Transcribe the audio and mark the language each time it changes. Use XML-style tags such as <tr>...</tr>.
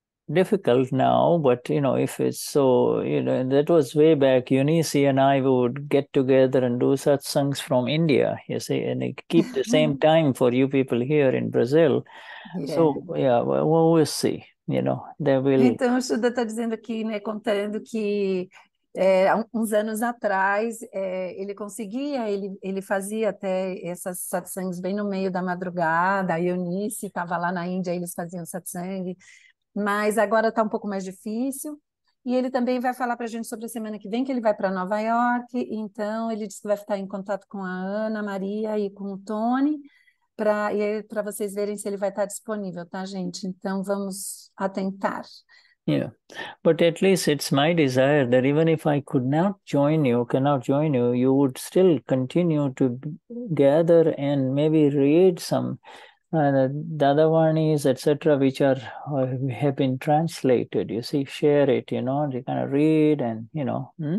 <en>difficult now, but, you know, if it's so, you know, that was way back, Eunice and I would get together and do satsangs from India, you see, and keep the same time for you people here in Brazil. Yeah. So, yeah, we'll see, you know, there will...</en> <pt>Então, o Shuddha está dizendo aqui, né, contando que uns anos atrás ele conseguia, ele fazia até essas satsangs bem no meio da madrugada, a Eunice estava lá na Índia, eles faziam satsang. Mas agora está um pouco mais difícil. E ele também vai falar para a gente sobre a semana que vem, que ele vai para Nova York. Então, ele disse que vai estar em contato com a Ana Maria e com o Tony, para vocês verem se ele vai estar disponível, tá, gente? Então, vamos atentar.</pt> <en>Yeah. But at least it's my desire that even if I could not join you, cannot join you, you would still continue to gather and maybe read some... Dadavanis, etc., which are have been translated, you see, share it, you know, you kind of read and, you know.</en>